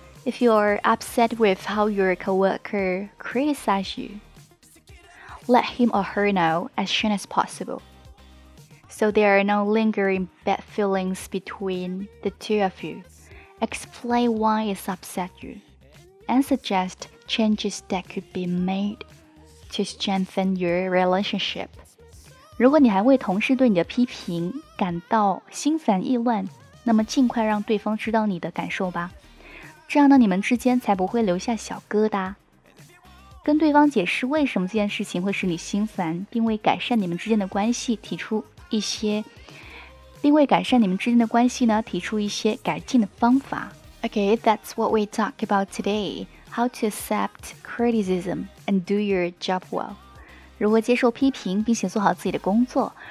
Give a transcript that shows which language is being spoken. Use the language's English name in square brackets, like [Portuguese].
[English] If you are upset with how your coworker criticizes you, let him or her know as soon as possible, so there are no lingering bad feelings between the two of you. Explain why it's upset you, and suggest changes that could be made to strengthen your relationship. [Chinese] 如果你还为同事对你的批评感到心烦意乱，那么尽快让对方知道你的感受吧。这样呢，你们之间才不会留下小疙瘩。跟对方解释为什么这件事情会使你心烦，并为改善你们之间的关系提出一些。并为改善你们之间的关系呢，提出一些改进的方法。 [English] Okay, that's what we talk about today. How to accept criticism and do your job well. [Chinese] 如何接受批评并且做好自己的工作。